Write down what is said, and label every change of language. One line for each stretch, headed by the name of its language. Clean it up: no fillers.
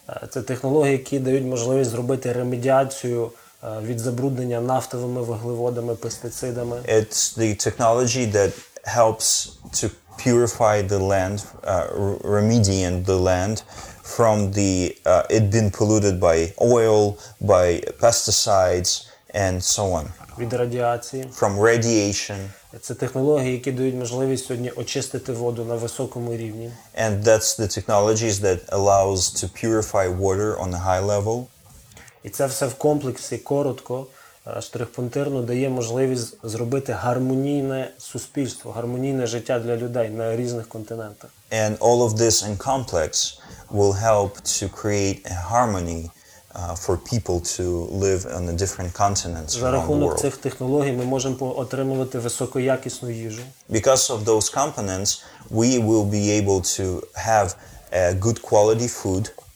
Ukrainian: Це технології, які дають можливість зробити ремедіацію від забруднення нафтовими вуглеводами, пестицидами.
English: It's the technology that helps to purify the land, remediate the land from the it been polluted by oil, by pesticides and so on.
Ukrainian: Від радіації.
English: From radiation.
Ukrainian: Це технології, які дають можливість сьогодні очистити воду на високому рівні.
English: And that's the technologies that allows to purify water on a high level.
Ukrainian: І це все в комплексі коротко, штрихпунктирно дає можливість зробити гармонійне суспільство, гармонійне життя для людей на різних континентах.
English: And all of this in complex will help to create a harmony for people to live on the different continents around the world.
Ukrainian: За рахунок цих технологій ми можемо отримувати високоякісну їжу.
English: Because of those components, we will be able to have a good quality food.